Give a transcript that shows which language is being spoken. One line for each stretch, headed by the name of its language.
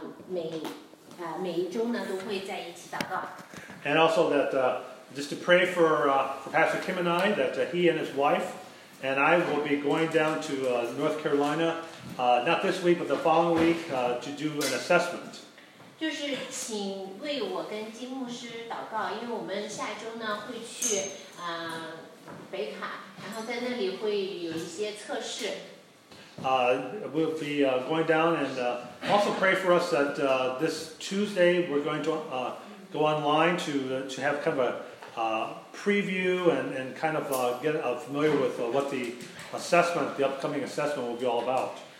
Chinese: 每一周呢都会在一起祷告。
English: And also that just to pray for Pastor Kim and I, that he and his wife and I will be going down to North Carolina, not this week, but the following week, to do an assessment.
Chinese: 就是请为我跟金牧师祷告，因为我们下周呢会去 北卡，然后在那里会有一些测试。
English: We'll be going down and also pray for us that this Tuesday we're going to go online to have kind of a preview and kind of get familiar with what the assessment, the upcoming assessment will be all about.